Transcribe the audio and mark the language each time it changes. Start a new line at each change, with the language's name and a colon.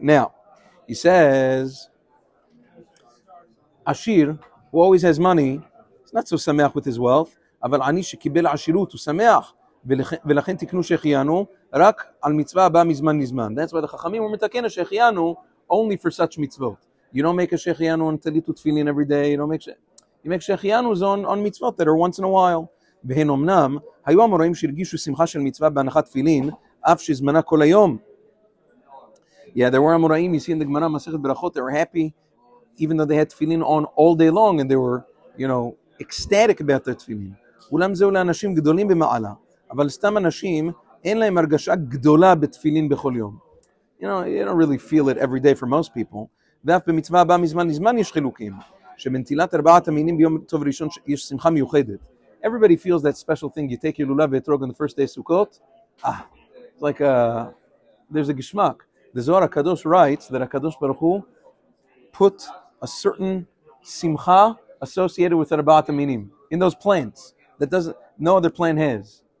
English: Now, he says, Ashir, who always has money, is not so sameach with his wealth,
Hebrew: אבל אני שקיבל עשירות, הוא
English: sameach,
Hebrew: ולכן תקנו שהחיינו, רק על מצווה הבא מזמן לזמן.
English: That's why the chachamim,
Hebrew: הוא מתקן השהחיינו,
English: only for such mitzvot. You don't make a שהחיינו on talit ותפילין every day, you make שהחיינו on mitzvot that are once in a while.
Hebrew: והן אמנם, היו אמוראים שהרגישו שמחה של מצווה בהנחת תפילין, אף שזמנה כל היום.
English: Yeah, there were אמוראים, you see in the Gemara, מסכת ברכות, they were happy, even though they had תפילין on all day long, and they were, you know, ecstatic about their תפילין.
Hebrew: אולם זהו לאנשים גדולים במעלה, אבל סתם אנשים, אין להם הרגשה גדולה בתפילין בכל יום.
English: You know, you don't really feel it every day for most people.
Hebrew: ואף במצווה הבא מזמן לזמן יש חילוקים, שמנטילת ארבעת המינים ביום טוב ראשון יש שמחה מיוחדת.
English: Everybody feels that special thing. You take your lulav ve'etrog on the first day of Sukkot. There's a geshmak. The Zohar HaKadosh writes that HaKadosh Baruch Hu put a certain simcha associated with Arba'at Aminim in those plants that doesn't no other plant has.